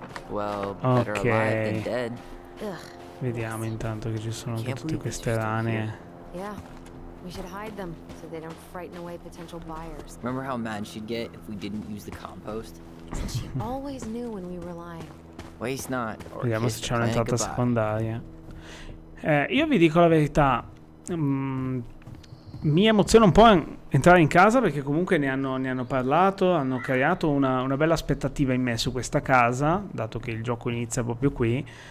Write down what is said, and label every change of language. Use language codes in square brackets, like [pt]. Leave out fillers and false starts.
[it] ok. Vediamo intanto che ci sono anche tutte queste rane. [en] We should hide them so they don't frighten away potential buyers. Remember how mad she'd get if we didn't use the compost? She always knew when we were lying. Waste not. [it] Vediamo se c'è un'entrata secondaria. Io vi dico la verità, mi emoziona un po' entrare in casa perché comunque ne hanno parlato, hanno creato una bella aspettativa in me su questa casa, dato che il gioco inizia proprio qui.